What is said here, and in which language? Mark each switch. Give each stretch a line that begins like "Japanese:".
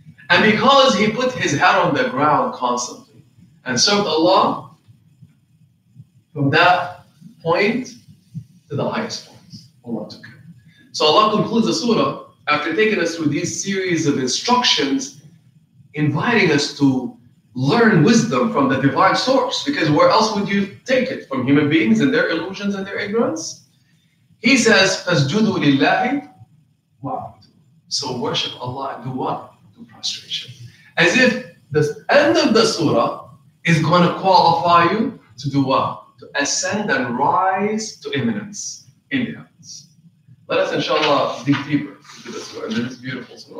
English: And because he put his head on the ground constantly and served Allah, from that point to the highest point, Allah took him. So Allah concludes the surah after taking us through these series of instructions, inviting us to learn wisdom from the divine source. Because where else would you take it? From human beings and their illusions and their ignorance? He says,
Arabic: فَاسْجُدُوا لِلَّهِ وَعْبُدُوا.
English: So worship Allah and do what? Prostration. As if the end of the surah is going to qualify you to do what? To ascend and rise to eminence in the heavens. Let us, inshallah, dig deeper into the surah. This is beautiful surah.